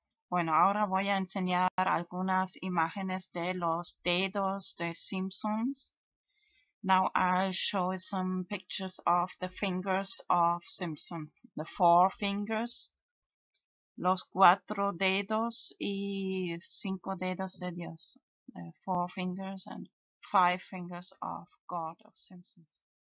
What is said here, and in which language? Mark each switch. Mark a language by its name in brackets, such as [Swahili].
[Spanish] Bueno, ahora voy a enseñar algunas imágenes de los dedos de Simpsons. [English] Now I'll show some pictures of the fingers of Simpson. The four fingers. [Spanish] Los cuatro dedos y cinco dedos de Dios. [English] Four fingers and five fingers of God of Simpsons.